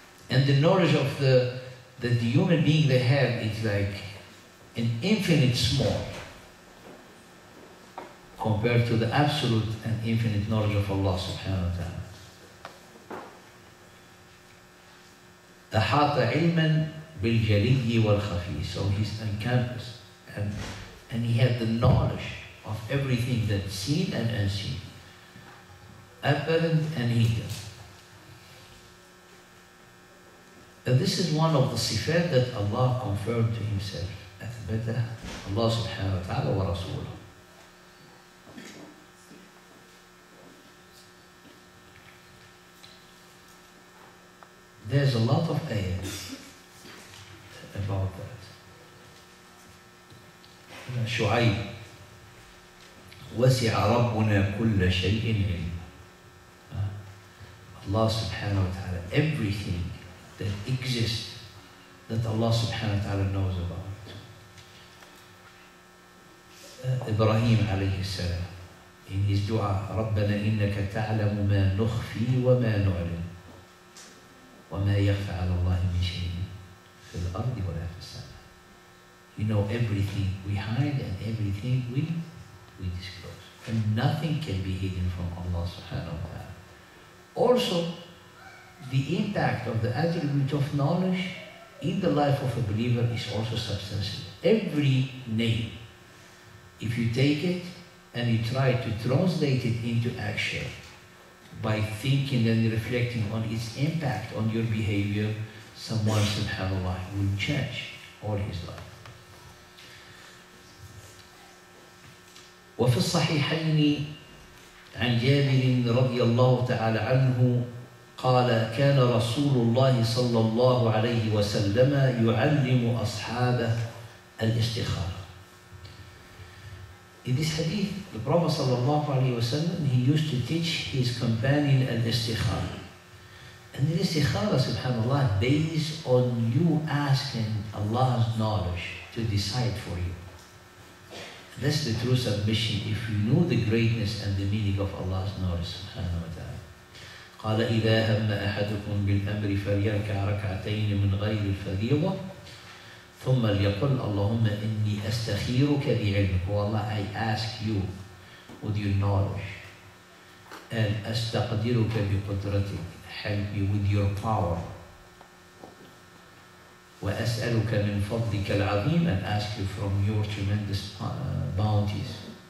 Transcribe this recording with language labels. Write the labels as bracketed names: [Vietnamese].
[English] And the knowledge of the human being they have is like an infinite small compared to the absolute and infinite knowledge of Allah subhanahu wa ta'ala. [Arabic] أحاط علما بالجلي والخفي. [English] So he's encompassed and he had the knowledge of everything that's seen and unseen, apparent and hidden. And this is one of the sifat that Allah confirmed to himself. [Arabic] أثبته الله سبحانه وتعالى ورسوله. [English] There's a lot of ayahs about that. [Arabic] Shu'ayb, وَسِعَ رَبُّنَا كُلَّ شَيْءٍ عِلْمًا. [English] Allah subhanahu wa ta'ala, everything that exists that Allah subhanahu wa ta'ala knows about. [Arabic] Ibrahim alayhi salam, [English] in his dua, [Arabic] رَبَّنَا إِنَّكَ تَعْلَمُ مَا نُخْفِي وَمَا نُعْلِمُ وَمَا يَخْفَ عَلَى اللَّهِ مِنْ شَيْءٍ فِي الْأَرْضِ وَلَا فِي السَّمَاءِ. [English] You know everything we hide and everything we disclose. And nothing can be hidden from Allah subhanahu wa ta'ala. Also, the impact of the attribute of knowledge in the life of a believer is also substantial. Every name, if you take it and you try to translate it into action, by thinking and reflecting on its impact on your behavior, someone subhanAllah will change all his life. [Arabic] وفي الصحيحين عن جابر رضي الله تعالى عنه قال كان رسول الله صلى الله عليه وسلم يعلم أصحابه الاستخارة. [English] In this hadith, the Prophet sallallahu alayhi wa sallam, he used to teach his companion al-istikhara. And the istikhara, subhanAllah, based on you asking Allah's knowledge to decide for you. And that's the true submission, if you know the greatness and the meaning of Allah's knowledge, subhanahu wa ta'ala. [Arabic] قَالَ إِذَا هَمَّ أَحَدُكُمْ بِالْأَمْرِ فَلْيَرْكَعْ رَكْعَتَيْنِ مِنْ غَيْرِ الْفَرِيضَةِ ثم ليقل اللهم إني أستخيرك بعلمك. والله [English] I ask you with your knowledge and [Arabic] أستقدرك بقدرتك, [English] help me with your power, [Arabic] وأسألك من فضلك العظيم [English] and ask you from your tremendous bounties.